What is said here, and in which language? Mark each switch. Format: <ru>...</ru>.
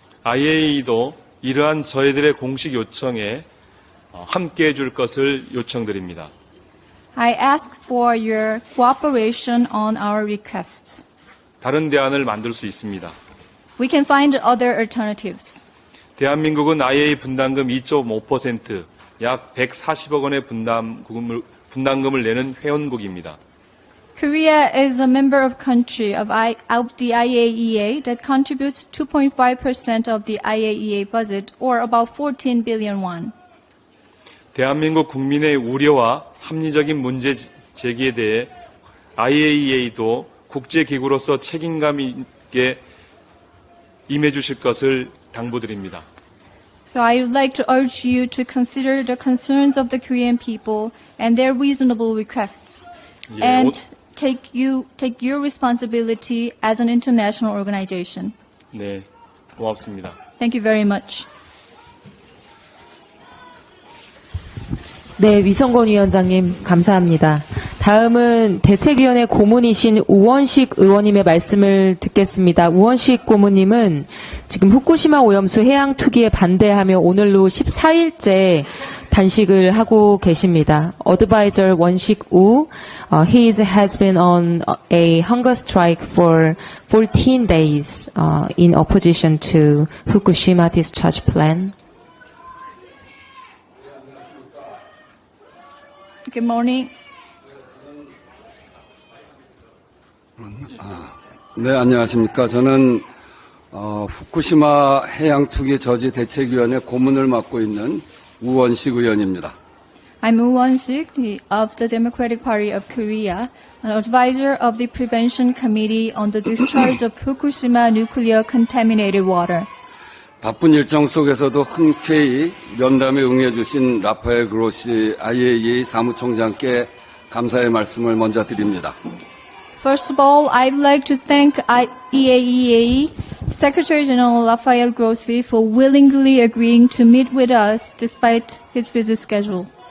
<ko>IAEA도 이러한 저희들의 공식 요청에 함께 해줄 것을 요청드립니다.</ko> <en>I ask for your cooperation on our request.</en> <ko>다른 대안을 만들 수 있습니다.</ko> <en>We can find other alternatives.</en> <ko>대한민국은 IAEA 분담금 2.5%, 약 140억 원의 분담금을 내는 회원국입니다.</ko> <en>Korea is a member of country of the IAEA that contributes 2.5% of the IAEA budget, or about 14 billion won.</en> <ko>대한민국 국민의 우려와 합리적인 문제 제기에 대해 IAEA도 국제기구로서 책임감 있게 임해주실 것을 당부드립니다.</ko> <en>So I would like to urge you to consider the concerns of the Korean people and their reasonable requests, and take your responsibility as an international organization.</en> <ko>네, 고맙습니다.</ko> <en>Thank you very much.</en> <ko>네, 위성권 위원장님 감사합니다. 다음은 대책위원회 고문이신 우원식 의원님의 말씀을 듣겠습니다. 우원식 고문님은 지금 후쿠시마 오염수 해양 투기에 반대하며 오늘로 14일째 단식을 하고 계십니다.</ko> <en>Advisor 원식 우, he has been on a hunger strike for 14 days in opposition to Fukushima discharge plan. Good morning.</en> <ko>네, 안녕하십니까. 저는 후쿠시마 해양 투기 저지 대책위원회 고문을 맡고 있는 우원식 의원입니다.</ko> <en>I'm Woo-won-sik of the Democratic Party of Korea, an advisor of the Prevention Committee on the Discharge of Fukushima Nuclear Contaminated Water.</en> <ko>바쁜 일정 속에서도 흔쾌히 면담에 응해 주신 라파엘 그로시 IAEA 사무총장께 감사의 말씀을 먼저 드립니다.</ko> <en>First of all, I'd like to thank IAEA Secretary General Rafael Grossi for willingly agreeing to meet with us despite his busy schedule.</en>